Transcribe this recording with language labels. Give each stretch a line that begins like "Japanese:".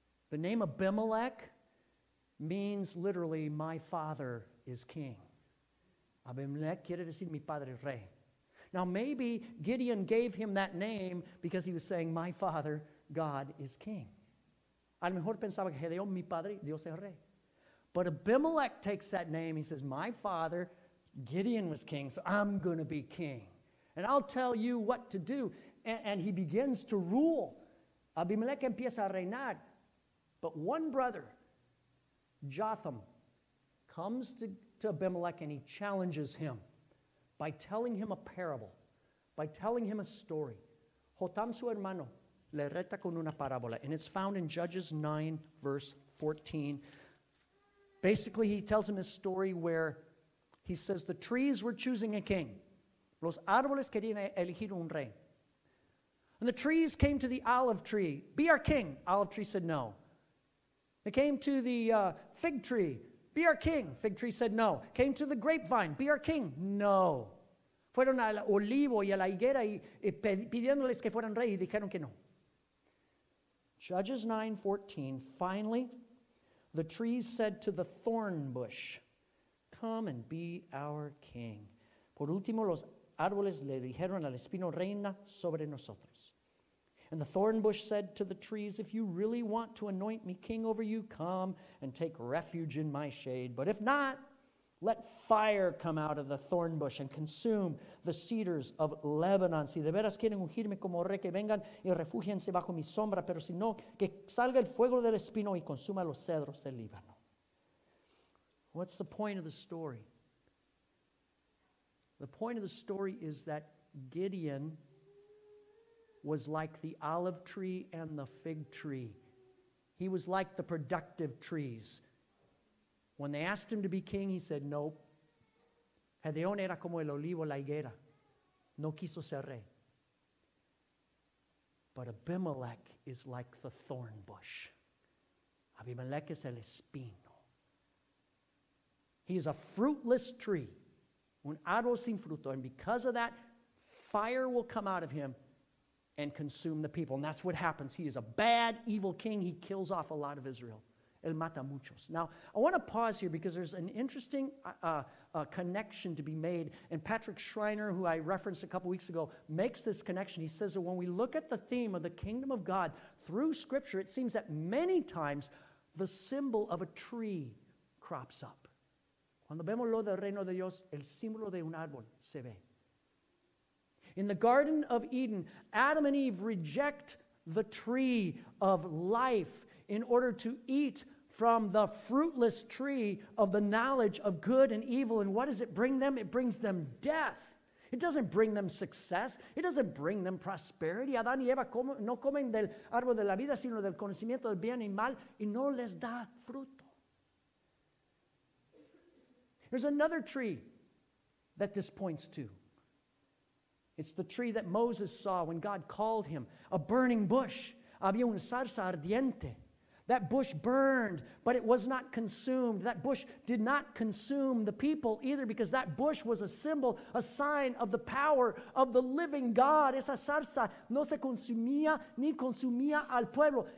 English: The name Abimelech means literally, my father is king.
Spanish: Abimelech quiere decir mi padre es rey.
English: Now maybe Gideon gave him that name because he was saying, my father, God, is king.
Spanish: A lo mejor pensaba que Gedeón, mi padre, Dios es rey.
English: But Abimelech takes that name, he says, my father, Gideon was king, so I'm going to be king. And I'll tell you what to do. And he begins to rule.
Spanish: Abimelech empieza a reinar.
English: But one brother, Jotham, comes to Abimelech and he challenges him by telling him a parable, by telling him a story.
Spanish: Jotham, su hermano, le reta con una parábola.
English: And it's found in Judges 9, verse 14. Basically, he tells him a story where he says the trees were choosing a king.
Spanish: Los árboles querían elegir un rey.
English: And the trees came to the olive tree. Be our king. Olive tree said no. They came to the fig tree. Be our king. Fig tree said no. Came to the grapevine. Be our king. No.
Spanish: Fueron al olivo y a la higuera y pidiéndoles que fueran rey y dijeron que no.
English: Judges 9:14. Finally, the trees said to the thorn bush, come and be our king.
Spanish: Por último, los árboles le dijeron al espino, reina sobre nosotros.
English: And the thorn bush said to the trees, if you really want to anoint me king over you, come and take refuge in my shade. But if not, let fire come out of the thorn bush and consume the cedars of Lebanon.
Spanish: Si de veras quieren ungirme como rey, que vengan y refúgiense bajo mi sombra, pero si no, que salga el fuego del espino y consuma los cedros del Líbano.
English: What's the point of the story? The point of the story is that Gideon was like the olive tree and the fig tree. He was like the productive trees. When they asked him to be king, he said, nope.
Spanish: Gedeón era como el olivo, la higuera. No quiso ser rey.
English: But Abimelech is like the thorn bush.
Spanish: Abimelech es el espino.
English: He is a fruitless tree.
Spanish: Un árbol sin fruto.
English: And because of that, fire will come out of him and consume the people. And that's what happens. He is a bad, evil king. He kills off a lot of Israel.
Spanish: El mata muchos.
English: Now, I want to pause here because there's an interesting connection to be made. And Patrick Schreiner, who I referenced a couple weeks ago, makes this connection. He says that when we look at the theme of the kingdom of God through Scripture, it seems that many times the symbol of a tree crops up.
Spanish: Cuando vemos lo del reino de Dios, el símbolo de un árbol se ve.
English: In the Garden of Eden, Adam and Eve reject the tree of life in order to eat from the fruitless tree of the knowledge of good and evil. And what does it bring them? It brings them death. It doesn't bring them success. It doesn't bring them prosperity.
Spanish: Adán y Eva no comen del árbol de la vida, sino del conocimiento del bien y mal, y no les da fruto.
English: There's another tree that this points to. It's the tree that Moses saw when God called him, a burning bush.
Spanish: Había un zarza ardiente.
English: That bush burned, but it was not consumed. That bush did not consume the people either, because that bush was a symbol, a sign of the power of the living God.
Spanish: Esa zarza no se consumía ni consumía al pueblo.